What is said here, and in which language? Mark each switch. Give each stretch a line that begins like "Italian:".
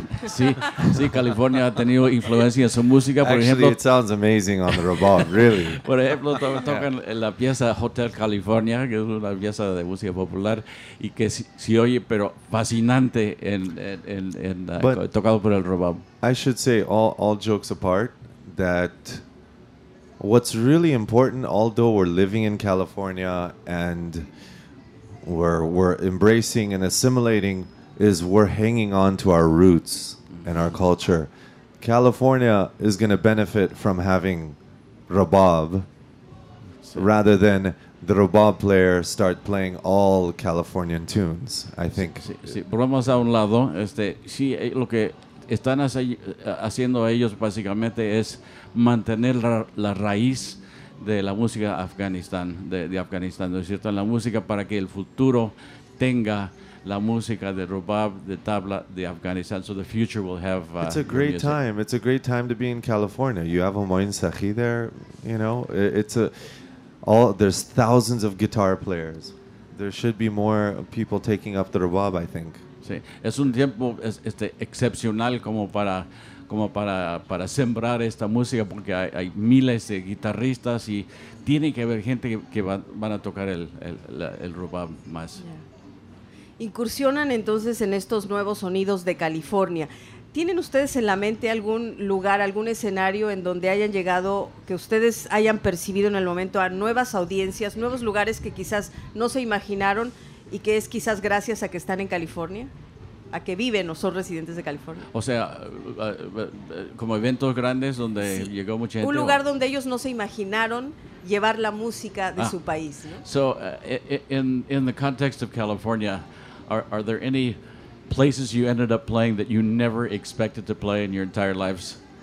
Spanish: Sí, sí, California ha tenido influencia en su música. Por
English: actually,
Spanish: ejemplo,
English: it sounds amazing on the rubab, really.
Spanish: Por ejemplo, tocan la pieza Hotel California, que es una pieza de música popular, y que si oye, pero fascinante, en tocado por el rubab.
English: I should say, all jokes apart, that what's really important, although we're living in California and we're embracing and assimilating, is we're hanging on to our roots and our culture. California is going to benefit from having rubab, rather than the rubab player start playing all Californian tunes, I think.
Spanish: Sí, sí, vamos a un lado. Este, sí, lo que están haciendo ellos básicamente es mantener la raíz de la música Afganistán, de Afganistán, ¿no es cierto? En la música, para que el futuro tenga la música de rubab, de tabla, de Afganistán.
English: So the future will have it's a great time. It's a great time to be in California. You have a Moin Sahi there, you know. It's a all there's thousands of guitar players. There should be more people taking up the rubab, I think.
Spanish: Sí, es un tiempo excepcional como para sembrar esta música, porque hay miles de guitarristas y tiene que haber gente que van a tocar el rubab más.
English: Yeah.
Spanish: Incursionan entonces en estos nuevos sonidos de California. ¿Tienen ustedes en la mente algún lugar, algún escenario en donde hayan llegado, que ustedes hayan percibido en el momento, a nuevas audiencias, nuevos lugares que quizás no se imaginaron y que es quizás gracias a que están en California? ¿A que viven o son residentes de California? O sea, como eventos grandes donde sí llegó mucha gente. Un lugar donde ellos no se imaginaron llevar la música de su país, ¿no?
English: So, in the context of California, are there any places you ended up playing that you never expected to play in your entire lives?